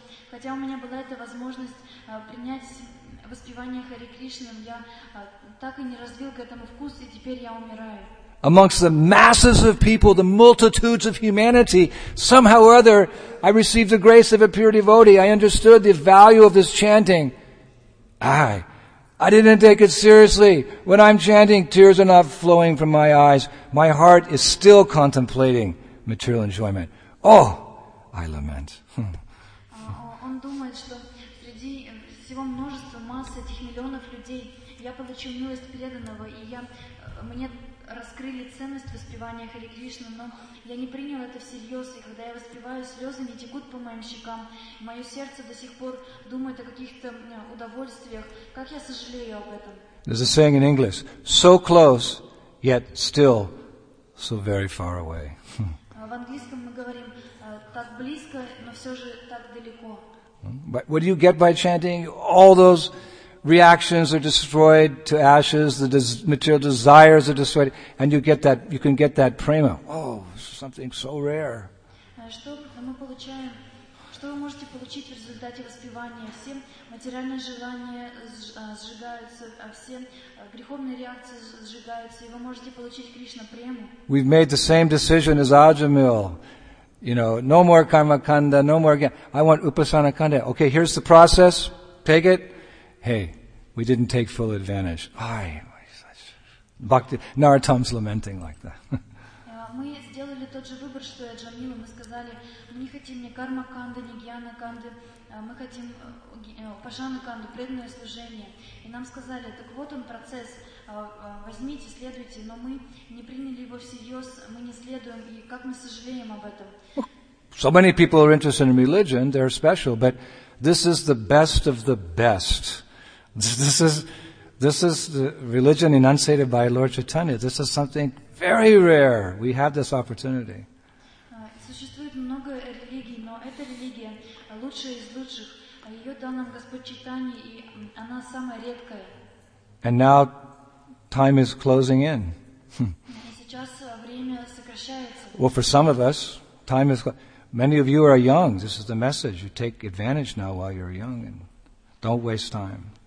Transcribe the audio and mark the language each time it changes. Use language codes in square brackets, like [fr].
[ru] Хотя у меня была эта возможность принять воспевание Харе Кришны, я так и не развил к этому вкус, и теперь я умираю. [en] Amongst the masses of people, the multitudes of humanity, somehow or other, I received the grace of a pure devotee. I understood the value of this chanting. I didn't take it seriously. When I'm chanting, tears are not flowing from my eyes. My heart is still contemplating material enjoyment. Oh, I lament. [ru] Он думает, что среди всего множества масс этих миллионов людей я получил милость преданного, и я мне раскрыли ценность воспевания Харе Кришны, но я не принял это всерьез, и когда я воспеваю, слезы не текут по моим щекам. Мое сердце до сих пор думает о каких-то удовольствиях. Как я сожалею об этом? [en] There's a saying in English: so close, yet still so very far away. [ru] В английском мы говорим: так близко, но все же так далеко. [en] But what do you get by chanting? All those reactions are destroyed to ashes, the material desires are destroyed, and you get that, you can get that prema. Oh, something so rare. [ru] Что мы получаем? Что вы можете получить в результате воспевания? Все материальные желания сжигаются, а все греховные реакции сжигаются, и вы можете получить Кришна прему. [en] We've made the same decision as Ajamil. You know, no more karma kanda, no more again. I want upasana kanda. Okay, here's the process. Take it. Hey, we didn't take full advantage. Ay, bhakti. Narottam's lamenting like that. [ru] Мы сделали тот же выбор, что и Джамила. Мы сказали, мы не хотим ни карма канда, ни гьяна канда. Мы хотим пашана канду, преданное служение. И нам сказали, так вот он процесс. Возьмите, следуйте. Но мы не приняли его всерьез. Мы не следуем. И как мы сожалеем об этом? [en] So many people are interested in religion. They're special. But this is the best of the best. This is the religion enunciated by Lord Chaitanya. This is something very rare. We have this opportunity. [ru] Существует много религий, но эта религия лучшая из лучших. Ее дал нам Господь Чайтанья, и она самая редкая. [en] And now time is closing in. [ru] Сейчас время сокращается. [en] Well, for some of us, time is many of you are young. This is the message. You take advantage now while you're young and don't waste time.